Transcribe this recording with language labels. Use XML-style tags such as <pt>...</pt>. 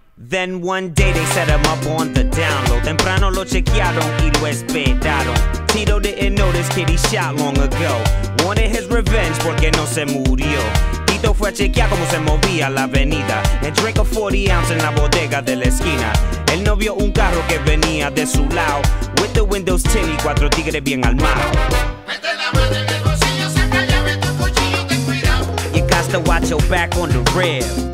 <en>Then one day they set him up on the down low.</en> <es>Temprano lo chequearon y lo esperaron.</es> <en>Tito didn't know this kid he shot long ago. Wanted his revenge</en> <es>porque no se murió. Tito fue a chequear como se movía la avenida.</es> <en>And drank a 40 ounce</en> <es>en la bodega de la esquina. Él no vio un carro que venía de su lado.</es> <en>With the windows tinted,</en> <es>cuatro tigres bien armados. Mete la mano en el bolsillo, saca llave, tu cuchillo, ten cuidado.</es> <en>You got to watch your back on the rear.</en>